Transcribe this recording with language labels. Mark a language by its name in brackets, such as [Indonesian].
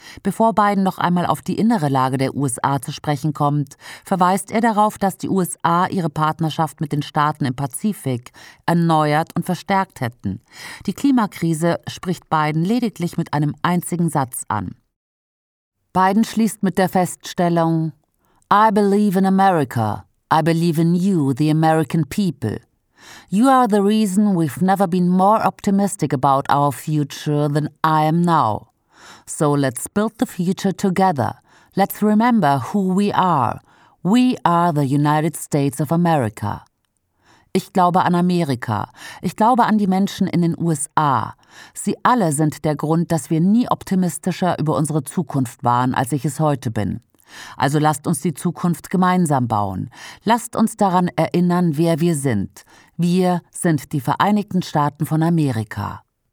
[German] Bevor Biden noch einmal auf die innere Lage der USA zu sprechen kommt, verweist er darauf, dass die USA ihre Partnerschaft mit den Staaten im Pazifik erneuert und verstärkt hätten. Die Klimakrise spricht Biden lediglich mit einem einzigen Satz an. Biden schließt mit der Feststellung: [English] I believe in America. I believe in you, the American people. You are the reason we've never been more optimistic about our future than I am now. So let's build the future together. Let's remember who we are. We are the United States of America. [German] Ich glaube an Amerika. Ich glaube an die Menschen in den USA. Sie alle sind der Grund, dass wir nie optimistischer über unsere Zukunft waren, als ich es heute bin. Also lasst uns die Zukunft gemeinsam bauen. Lasst uns daran erinnern, wer wir sind. Wir sind die Vereinigten Staaten von Amerika.